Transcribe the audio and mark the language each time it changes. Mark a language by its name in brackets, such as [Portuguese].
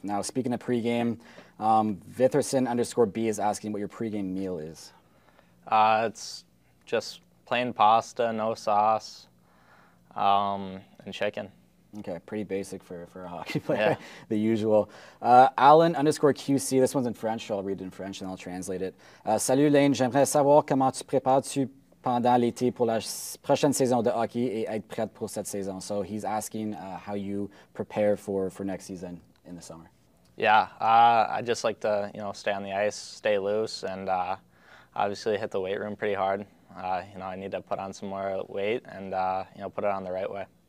[English] Now, speaking of pregame, Vitherson_B is asking what your pregame meal is. It's just plain pasta, no sauce, and chicken. Okay, pretty basic for a hockey player, yeah. The usual. Alan_QC, this one's in French, so I'll read it in French and I'll translate it. [French] Salut Lane, j'aimerais savoir comment tu prépares-tu pendant l'été pour la prochaine saison de hockey et être prête pour cette saison. [English] So he's asking how you prepare for next season in the summer. Yeah, I just like to, you know, stay on the ice, stay loose, and obviously hit the weight room pretty hard. I need to put on some more weight and, put it on the right way.